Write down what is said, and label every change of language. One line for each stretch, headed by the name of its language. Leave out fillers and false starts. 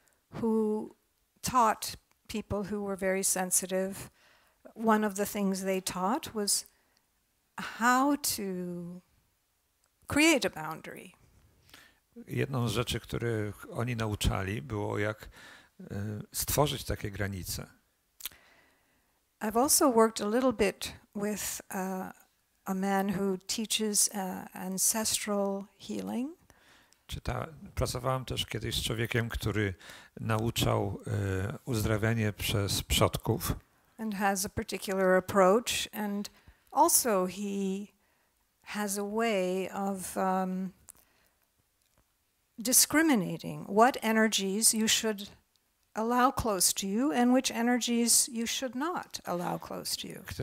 English: who taught people who were very sensitive. One of the things they taught was how to create a boundary.
Polish: Jedną z rzeczy, które oni nauczali, było jak stworzyć takie granice.
English: I've also worked a little bit with a man who teaches ancestral healing.
Polish: Pracowałem też kiedyś z człowiekiem, który nauczał uzdrawianie przez przodków.
English: And has a particular approach, and also he has a way of discriminating what energies you should allow close to you and which energies you should not allow close to you.